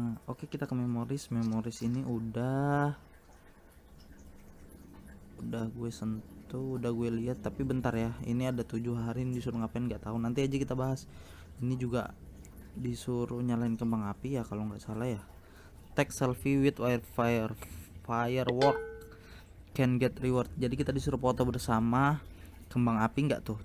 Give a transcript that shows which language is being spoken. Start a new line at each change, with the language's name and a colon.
Indonesian: Oke, kita ke memories. Memories ini udah gue sentuh, udah gue lihat, tapi bentar ya. Ini ada 7 hari ini disuruh ngapain nggak tahu. Nanti aja kita bahas. Ini juga disuruh nyalain kembang api ya kalau nggak salah ya.
English: Take selfie with wildfire firework. Can get reward.
Indonesian: Jadi kita disuruh foto bersama kembang api enggak tuh?